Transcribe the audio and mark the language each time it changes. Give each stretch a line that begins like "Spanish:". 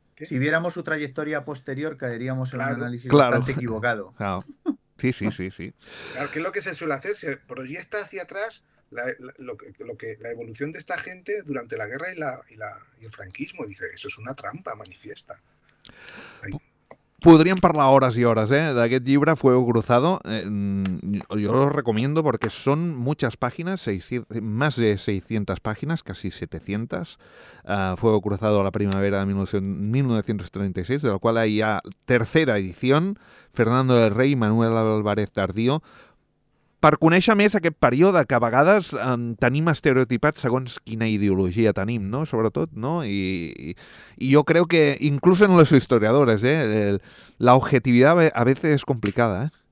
Spanish: si viéramos su trayectoria posterior, caeríamos en un Claro, análisis claro. bastante equivocado. Sí. Claro, ¿qué es lo que se suele hacer? Se proyecta hacia atrás la evolución de esta gente durante la guerra y el franquismo. Dice, eso es una trampa manifiesta.
Catalan: Podríem parlar hores i hores, d'aquest llibre, Fuego Cruzado.
Spanish: Jo lo recomiendo porque son muchas páginas, 600, más de 600 páginas, casi 700. Fuego Cruzado a la primavera de 1936, de lo cual hay ya tercera edición, Fernando del Rey i Manuel Álvarez Tardío.
Catalan: Per conèixer més aquest període, que a vegades tenim estereotipat segons quina ideologia tenim, no? Sobretot, no? I jo crec que, inclús en les historiadores, la objetivitat a vegades és complicada,